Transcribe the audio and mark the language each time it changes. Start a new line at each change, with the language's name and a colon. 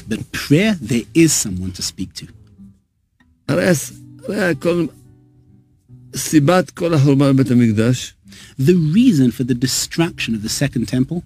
English: But prayer, there is someone to speak to.
Hebrew: הרי כל סיבת כל החורבן בית המקדש.
English: The reason for the destruction of the second temple